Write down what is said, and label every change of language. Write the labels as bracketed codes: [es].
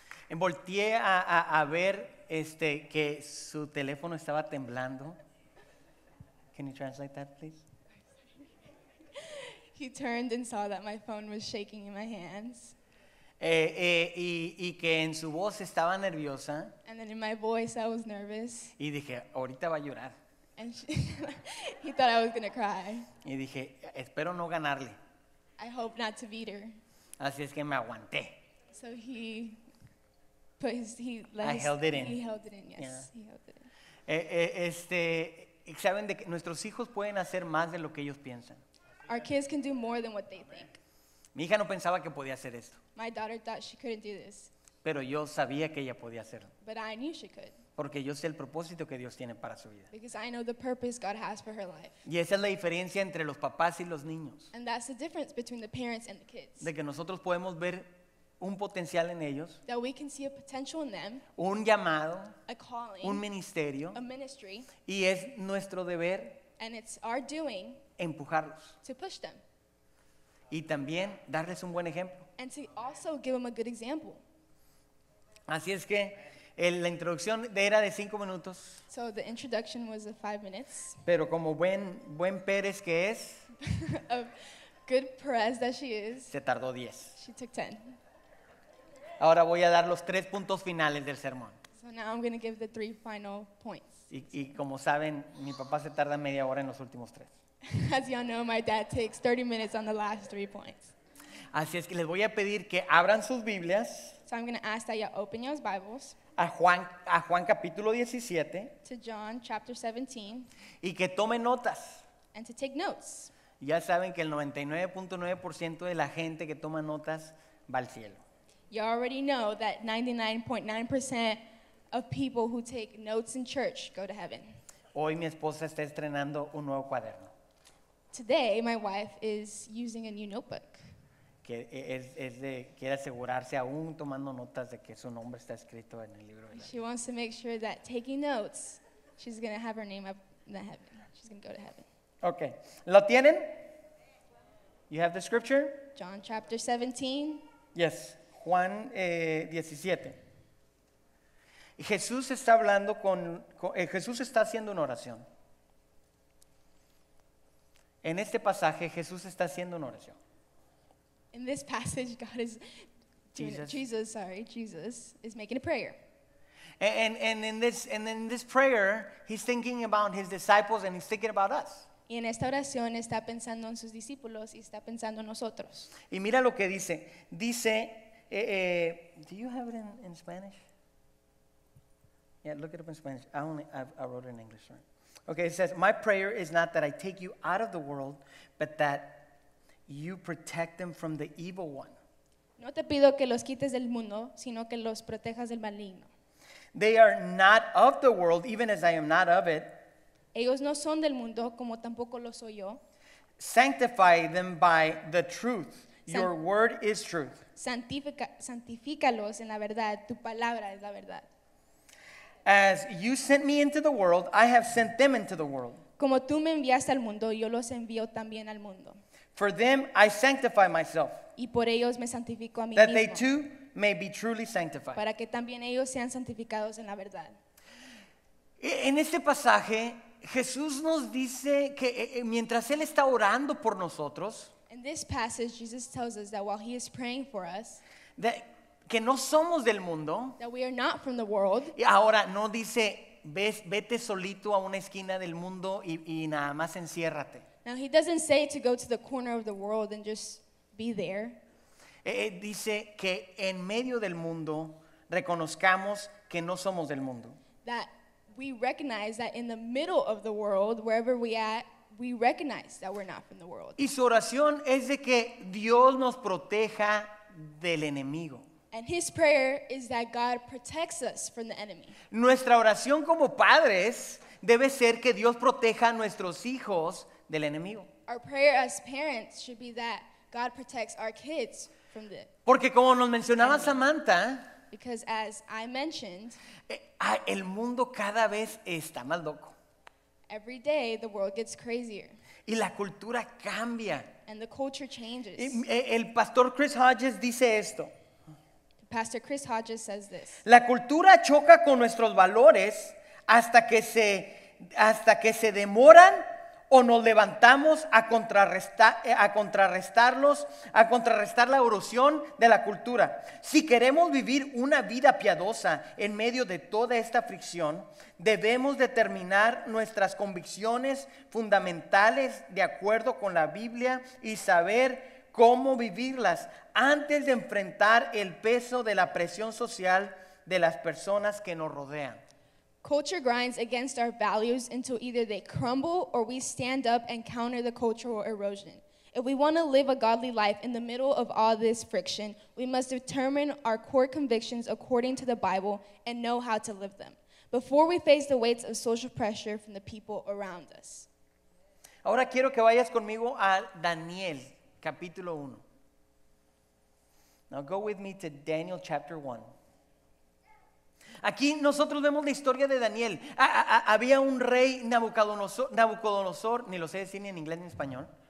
[es] Volteé a ver que su teléfono estaba temblando. [en] Can you translate that, please? He turned and saw that my phone was shaking in my hands. [es] Y que en su voz estaba nerviosa. [en] And then in my voice I was nervous. [es] Y dije, ahorita va a llorar. [en] And he thought I was going to cry. [es] Y dije, espero no ganarle. [en] I hope not to beat her. [es] Así es que me aguanté. [en] So he put his, he let his, I held it in. He held it in, yes. Yeah. He held it in. [es] Saben de que nuestros hijos pueden hacer más de lo que ellos piensan. [en] Our kids can do more than what they think. [es] Mi hija no pensaba que podía hacer esto. [en] My daughter thought she couldn't do this. [es] Pero yo sabía que ella podía hacerlo. [en] But I knew she could. [es] Porque yo sé el propósito que Dios tiene para su vida. [en] Because I know the purpose God has for her life. [es] Y esa es la diferencia entre los papás y los niños. [en] And that's the difference between the parents and the kids. [es] De que nosotros podemos ver un potencial en ellos. [en] That we can see a potential in them. [es] Un llamado. [en] A calling. [es] Un ministerio. [en] A ministry. [es] Y es nuestro deber. [en] And it's our doing. [es] Empujarlos. [en] To push them. [es] Y también darles un buen ejemplo. [en] And to also give them a good example. [es] Así es que la introducción era de 5 minutos. [en] So the introduction was of 5 minutes. [es] Pero como buen Pérez que es. [en] Good Perez that she is. [es] Se tardó 10. [en] She took 10. [es] Ahora voy a dar los 3 puntos finales del sermón. [en] So now I'm going to give the 3 final points. [es] Y como saben, mi papá se tarda media hora en los últimos tres. [en] As y'all know, my dad takes 30 minutes on the last three points. [es] Así es que les voy a pedir que abran sus Biblias. [en] So I'm going to ask that you open your Bibles. [es] A Juan capítulo 17. [en] To John chapter 17. [es] Y que tomen notas. [en] And to take notes. [es] Ya saben que el 99.9% de la gente que toma notas va al cielo. [en] You already know that 99.9% of people who take notes in church go to heaven. [es] Hoy mi esposa está estrenando un nuevo cuaderno. [en] Today my wife is using a new notebook. [es] Que es de, quiere asegurarse aún tomando notas de que su nombre está escrito en el libro. [en] She wants to make sure that taking notes, she's going to have her name up in heaven. She's going to go to heaven. Okay. [es] ¿Lo tienen? [en] You have the scripture? John chapter 17. Yes. Juan 17. [es] Jesús está hablando con Jesús está haciendo una oración. En este pasaje, Jesús está haciendo una oración. [en] In this passage, God is Jesus is making a prayer. And in this prayer, he's thinking about his disciples and he's thinking about us. [es] Y en esta oración está pensando en sus discípulos y está pensando en nosotros. Y mira lo que dice. Dice, [en] do you have it in Spanish? Yeah, look it up in Spanish. I wrote it in English, right? Okay, it says, my prayer is not that I take you out of the world, but that you protect them from the evil one. [es] No te pido que los quites del mundo, sino que los protejas del maligno. [en] They are not of the world, even as I am not of it. [es] Ellos no son del mundo, como tampoco lo soy yo. [en] Sanctify them by the truth. Your word is truth. [es] Santifícalos en la verdad. Tu palabra es la verdad. [en] As you sent me into the world, I have sent them into the world. [es] Como tú me enviaste al mundo, yo los envío también al mundo. [en] For them, I sanctify myself. [es] Y por ellos me santifico a mí mismo. [en] That they too may be truly sanctified. [es] Para que también ellos sean santificados en la verdad. En este pasaje, Jesús nos dice que mientras Él está orando por nosotros, [en] in this passage, Jesus tells us that while He is praying for us, [es] that que no somos del mundo, [en] that we are not from the world. [es] Y ahora no dice, vete solito a una esquina del mundo y nada más enciérrate. [en] Now He doesn't say to go to the corner of the world and just be there. [es] Dice que en medio del mundo reconozcamos que no somos del mundo. [en] That we recognize that in the middle of the world, wherever we at, we recognize that we're not from the world. [es] Y su oración es de que Dios nos proteja del enemigo. [en] And his prayer is that God protects us from the enemy. [es] Nuestra oración como padres debe ser que Dios proteja a nuestros hijos del enemigo. [en] Our prayer as parents should be that God protects our kids from the enemy. [es] Porque como nos mencionaba Samantha, [en] because as I mentioned, [es] el mundo cada vez está más loco. [en] Every day the world gets crazier. [es] Y la cultura cambia. [en] And the culture changes. [es] Y el pastor Chris Hodges dice esto. [en] Pastor Chris Hodges says this. [es] La cultura choca con nuestros valores hasta que se demoran o nos levantamos a contrarrestar la erosión de la cultura. Si queremos vivir una vida piadosa en medio de toda esta fricción, debemos determinar nuestras convicciones fundamentales de acuerdo con la Biblia y saber cómo vivirlas antes de enfrentar el peso de la presión social de las personas que nos rodean. [en] Culture grinds against our values until either they crumble or we stand up and counter the cultural erosion. If we want to live a godly life in the middle of all this friction, we must determine our core convictions according to the Bible and know how to live them before we face the weights of social pressure from the people around us. [es] Ahora quiero que vayas conmigo a Daniel, capítulo 1. [en] Now go with me to Daniel chapter 1. [es] Aquí nosotros vemos la historia de Daniel. Había un rey Nabucodonosor, ni lo sé decir ni en inglés ni en español.